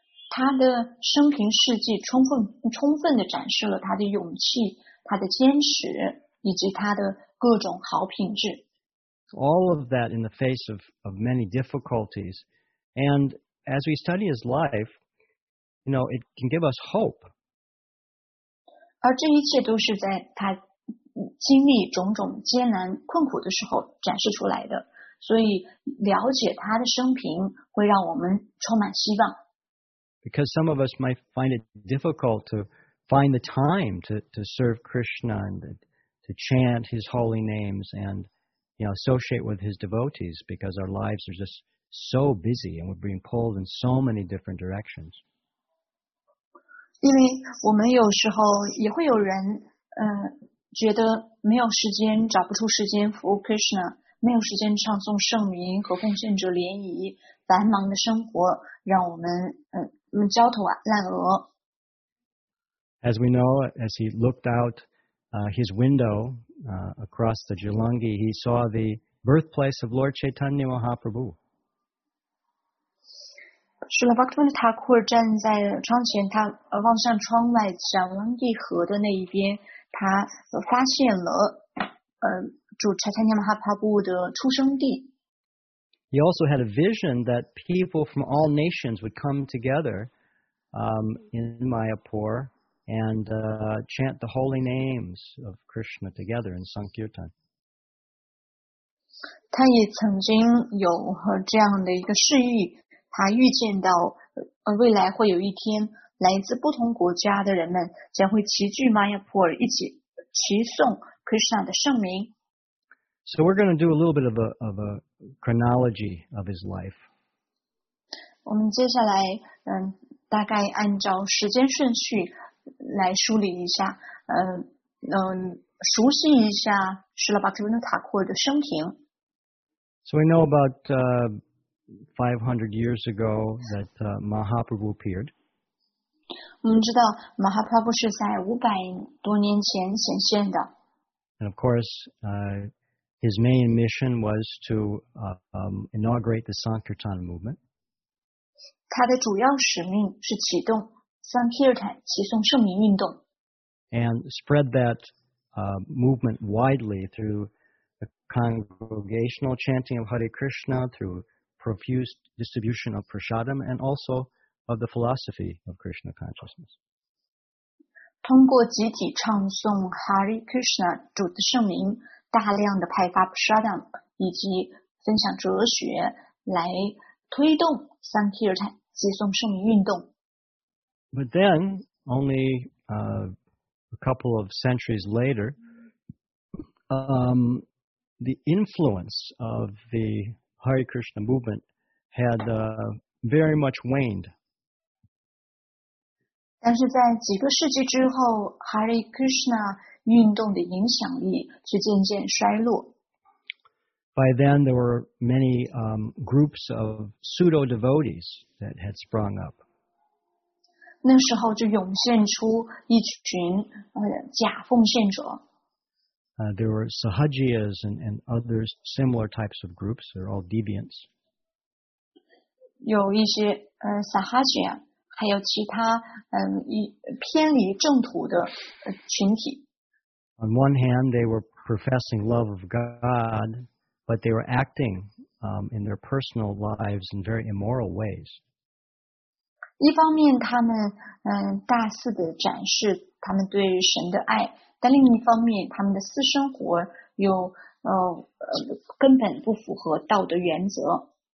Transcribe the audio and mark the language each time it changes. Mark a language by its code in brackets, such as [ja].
[zh] 他的生平事迹充分地展示了他的勇气、他的坚持以及他的各种好品质。 [en] All of that in the face of many difficulties, and as we study his life, you know, it can give us hope. [zh] 而这一切都是在他经历种种艰难困苦的时候展示出来的，所以了解他的生平会让我们充满希望。 [en] Because some of us might find it difficult to find the time to serve Krishna and to chant his holy names and, you know, associate with his devotees because our lives are just so busy and we're being pulled in so many different directions. [zh] 因为我们有时候也会有人觉得没有时间，找不出时间服务 Krishna， 没有时间唱诵圣名和奉献者联谊，繁忙的生活让我们焦头烂额。 [en] As we know, as he looked out his window across the Jalangi, he saw the birthplace of Lord Chaitanya Mahaprabhu. [zh] Srila Bhaktivinoda Thakur 站在窗前，他望向窗外 Jalangi 河的那一边，他发现了主 Chaitanya Mahaprabhu 的出生地。 [en] He also had a vision that people from all nations would come together in Mayapur and chant the holy names of Krishna together in Sankirtan. [zh] 他也曾经有和这样的一个事欲，他预见到未来会有一天来自不同国家的人们将会齐聚玛雅普尔一起齐颂 Krishna 的圣名。 [en] So we're going to do a little bit of a chronology of his life. [zh] 我们接下来大概按照时间顺序来梳理一下熟悉一下 Srila Bhaktivinoda Thakur 的生平。 [en] So we know about 500 years ago that Mahaprabhu appeared. [zh] 我们知道 Mahaprabhu 是在500多年前显现的。 [en] And of course, his main mission was to inaugurate the Sankirtan movement. [zh] 他的主要使命是启动 Sankirtan 齐颂圣名运动。 [en] And spread that movement widely through the congregational chanting of Hare Krishna, through profuse distribution of prasadam, and also of the philosophy of Krishna consciousness. [zh] 通过集体唱诵 Hare Krishna 主的圣名，大量的派发 prasadam 以及分享哲学，来推动 Sankirtan 集颂圣名运动。 [en] But then only a couple of centuries later, the influence of the Hare Krishna movement had very much waned. [zh] 但是在几个世纪之后 ，Hare Krishna 运动的影响力却渐渐衰落。 [en] By then, there were many groups of pseudo devotees that had sprung up. [zh] 那时候就涌现出一群假奉献者。 [en] There were Sahajiyas and other similar types of groups. They're all deviants. [zh] 有一些Sahajiya, 还有其他偏离正途的群体。 [en] On one hand, they were professing love of God, but they were acting in their personal lives in very immoral ways. [zh] 一方面他们大肆地展示他们对神的爱，但另一方面他们的私生活又根本不符合道德原则。